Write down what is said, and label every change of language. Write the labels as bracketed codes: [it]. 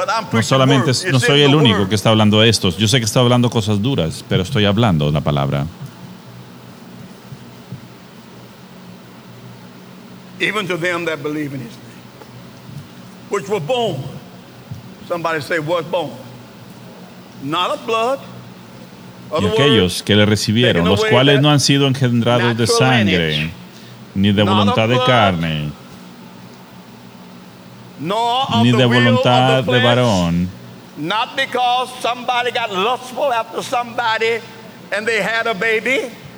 [es] No solamente, no soy el único que está hablando de estos. Yo sé que está hablando cosas duras, pero estoy hablando la palabra. [en] Even to them that believe in his name. Which were born. Somebody say, was born. Not of blood. [es] Y aquellos que le recibieron, los cuales no han sido engendrados de sangre, ni de voluntad de carne, ni de voluntad de varón. [en] Not because somebody got lustful after somebody and they had a baby.